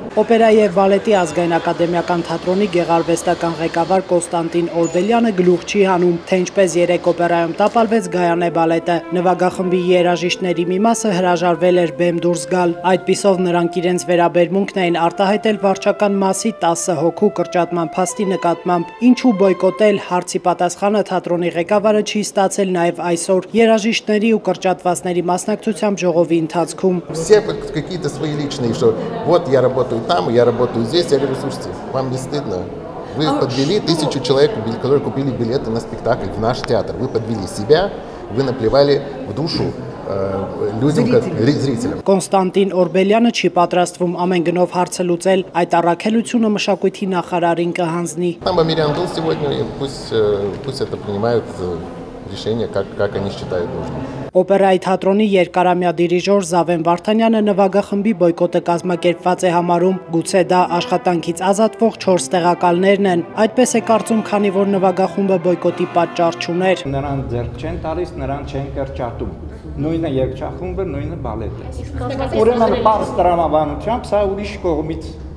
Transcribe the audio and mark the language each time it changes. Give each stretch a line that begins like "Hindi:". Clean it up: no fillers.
Armenian: Օպերայի և բալետի ազգային ակադեմիական թատրոնի գեղարվեստական ղեկավար Կոստանտին Օրբելյանը գլուխ չի հանում, թե ինչպես երեք օպերայում տապալվեց Գայանե բալետը։ Նվագախմբի երաժիշտների մի մասը հրաժարվել էր բեմ դուրս գալ, այդպիսով նրանք իրենց վերաբերմունքն էին արտահայտել վարչական մասի 10 հոգու կրճատման փաստի նկատմամբ։ Ինչու բոյկոտել, հարցի պատասխանը թատրոնի ղեկավարը չի ստացել նաև այսօր երաժիշտների ու կրճատվածների մասնակցությամբ ժողովի ընթացքում։
Russian: Это свои личные, что вот я работаю там, я работаю здесь. Я говорю, слушайте, вам не стыдно? Вы подвели тысячу человек, которые купили билеты на спектакль в наш театр. Вы подвели себя, вы наплевали в душу. Людям, зрителям.
Armenian: Կոնստանտին Օրբելյանը չի պատրաստվում ամեն գնով հարցը լուծել, այդ առաքելությունը մշակույթի նախարարին կհանձնի։
Russian: Ամիրյանդուլ сегодня, пусть это принимает решение, как они считают нужным.
Armenian: Օպերայի թատրոնի երկարամյա դիրիժոր Զավեն Վարդանյանը նվագախմբի բոյկոտը կազմակերպված է համարում, գուցե դա աշխատանքից ազատվող 4 տեղակալներն են։ Այդպես է կարծում, քանի որ նվագախումբը բոյկոտի պատճառ չուներ։ Նրանք ձեռք չեն տալիս, նրանք չեն կրճատում։ Նույնը երգչախումբը, նույնը բալետը։ Ուրեմն պարզ տրամաբանությամբ սա ուրիշ կողմից։